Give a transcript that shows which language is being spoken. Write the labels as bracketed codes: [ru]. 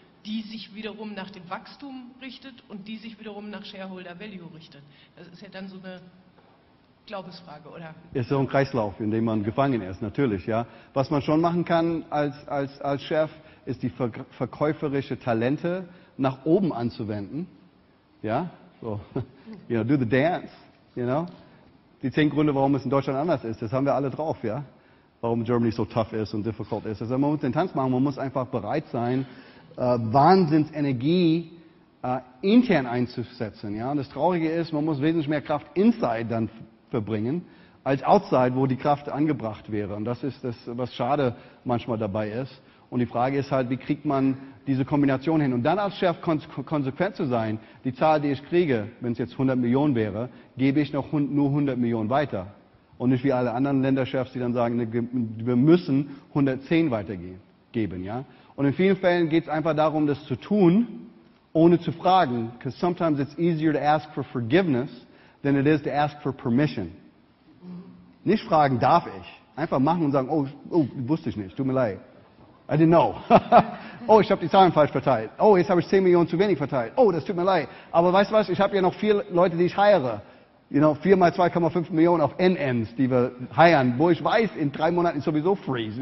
[de] die sich wiederum nach dem Wachstum richtet und die sich wiederum nach Shareholder Value richtet. Das ist ja dann so eine Glaubensfrage, oder? Ist so ein Kreislauf, in dem man gefangen ist, natürlich, ja. Was man schon machen kann als Chef, ist die verkäuferische Talente nach oben anzuwenden, ja. [en] So, you know, do the dance, you know. [de] Die 10 Gründe, warum es in Deutschland anders ist, das haben wir alle drauf, ja. Warum Germany so tough ist und difficult ist. Also man muss den Tanz machen, man muss einfach bereit sein, Wahnsinnsenergie intern einzusetzen. Ja? Und das Traurige ist, man muss wesentlich mehr Kraft inside dann verbringen, als outside, wo die Kraft angebracht wäre. Und das ist das, was schade manchmal dabei ist. Und die Frage ist halt, wie kriegt man diese Kombination hin? Und dann als Chef konsequent zu sein, die Zahl, die ich kriege, wenn es jetzt 100 Millionen wäre, gebe ich noch nur 100 Millionen weiter. Und nicht wie alle anderen Länderchefs, die dann sagen, wir müssen 110 weitergeben. Ja? Und in vielen Fällen geht es einfach darum, das zu tun, ohne zu fragen. [en] Because sometimes it's easier to ask for forgiveness than it is to ask for permission. [de] Nicht fragen, darf ich? Einfach machen und sagen, oh, wusste ich nicht, tut mir leid. [en] I didn't know. [de] Oh, ich habe die Zahlen falsch verteilt. Oh, jetzt habe ich 10 Millionen zu wenig verteilt. Oh, das tut mir leid. Aber weißt du was, ich habe ja noch 4 Leute, die ich heire. [en] You know, [de] 4 mal 2,5 Millionen auf NNs, die wir heiren, wo ich weiß, in 3 Monaten ist sowieso freeze.